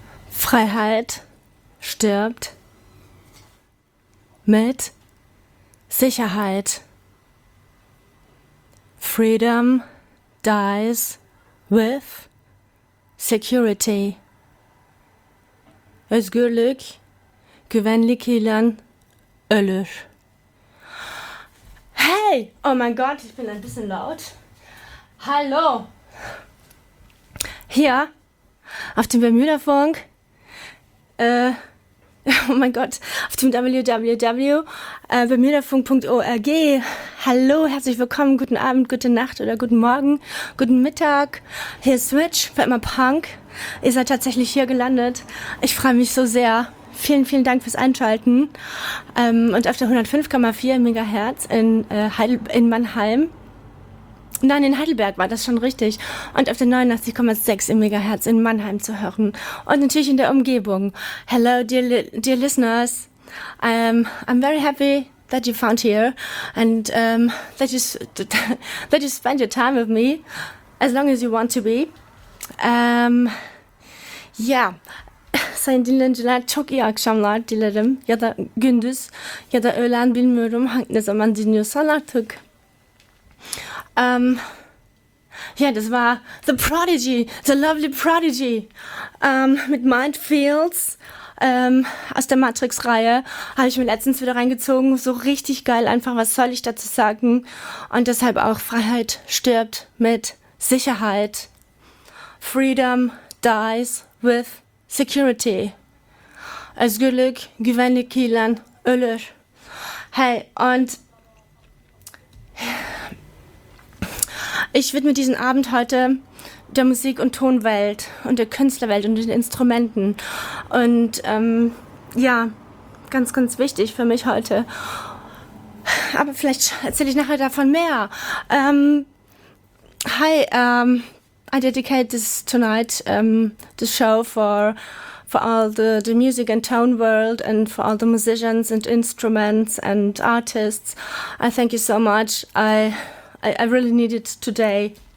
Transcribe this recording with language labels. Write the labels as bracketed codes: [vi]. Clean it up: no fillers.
[de] Freiheit stirbt mit Sicherheit. [en] Freedom dies with security. [tr] Özgürlük güvenlikle ölür. [de] Hey, oh mein Gott, ich bin ein bisschen laut. Hallo. Hier auf dem Bermuda-Funk. Oh mein Gott, auf dem www.bermudafunk.org. Hallo, herzlich willkommen, guten Abend, gute Nacht oder guten Morgen, guten Mittag. Hier ist Switch, für immer Punk. Ihr seid tatsächlich hier gelandet. Ich freue mich so sehr. Vielen, vielen Dank fürs Einschalten. Und auf der 105,4 Megahertz in Mannheim. Nein, in Heidelberg war das schon richtig. Und auf der 89,6 im Megahertz in Mannheim zu hören. Und natürlich in der Umgebung. [en] Hello, dear listeners. I'm very happy that you found here and that you spend your time with me as long as you want to be. Yeah. [tr] Sayın dinleyiciler, çok iyi akşamlar dilerim. Ya da gündüz ya da öğlen, bilmiyorum ne zaman dinliyorsan artık. [de] Ja, das war The Prodigy, The Lovely Prodigy, mit Mindfields, aus der Matrix-Reihe, habe ich mir letztens wieder reingezogen, so richtig geil einfach, was soll ich dazu sagen, und deshalb auch Freiheit stirbt mit Sicherheit, [en] Freedom dies with security, [tr] Özgürlük güvenlikle ölür, [de] hey, und... Ich widme diesen Abend heute der Musik- und Tonwelt und der Künstlerwelt und den Instrumenten. Und ja, ganz, ganz wichtig für mich heute. Aber vielleicht erzähle ich nachher davon mehr. [en] Hi, I dedicate this tonight, this show for all the music and tone world and for all the musicians and instruments and artists. I thank you so much. I really need it today.